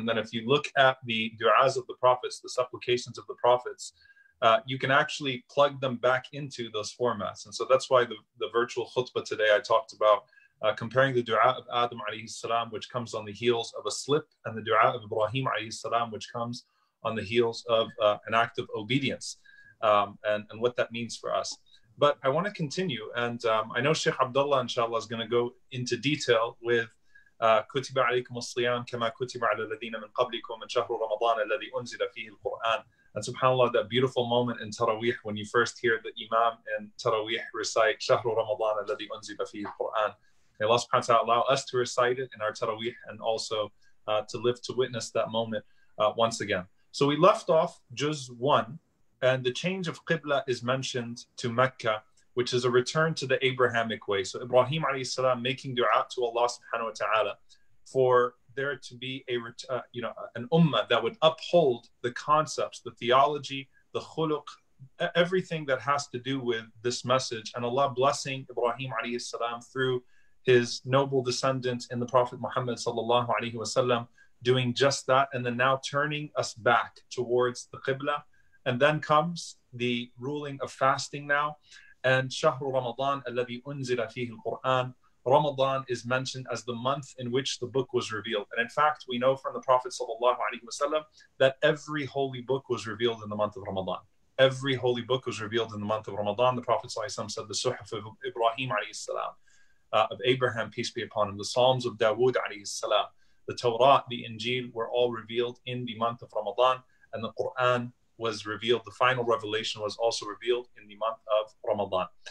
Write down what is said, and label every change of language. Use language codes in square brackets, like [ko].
[en] And then if you look at the du'as of the prophets, the supplications of the prophets, you can actually plug them back into those formats. And so that's why the virtual khutbah today, I talked about comparing the du'a of Adam alayhi salam, which comes on the heels of a slip, and the du'a of Ibrahim alayhi salam, which comes on the heels of an act of obedience, and what that means for us. But I want to continue. And I know Sheikh Abdullah, inshallah, is going to go into detail with [ar] كتب عليكم الصيام كما كتب على الذين من قبلكم من شهر رمضان الذي أنزل فيه القرآن. [en] And subhanAllah, that beautiful moment in Taraweeh when you first hear the Imam in Taraweeh recite [ar] شهر رمضان الذي أنزل فيه القرآن. [en] May Allah subhanahu wa ta'ala allow us to recite it in our Taraweeh and also to live to witness that moment once again. So we left off Juz 1, and the change of Qibla is mentioned to Mecca, which is a return to the Abrahamic way. So Ibrahim alayhi salam making dua to Allah subhanahu wa ta'ala for there to be a an ummah that would uphold the concepts, the theology, the khuluq, everything that has to do with this message, and Allah blessing Ibrahim alayhi salam through his noble descendants in the Prophet Muhammad sallallahu alayhi wa sallam doing just that, and then now turning us back towards the Qibla. And then comes the ruling of fasting now. [ar] And شهر رمضان الذي أنزل فيه القرآن. [en] Ramadan is mentioned as the month in which the book was revealed. And in fact, we know from the Prophet sallallahu alaihi wasallam that every holy book was revealed in the month of Ramadan. Every holy book was revealed in the month of Ramadan. The Prophet sallallahu alaihi wasallam said the Suhuf of Ibrahim alaihi salam, of Abraham peace be upon him, the Psalms of Dawood alaihi salam, the Torah, the Injil were all revealed in the month of Ramadan, and the Quran was revealed, the final revelation was also revealed in the month of Ramadan.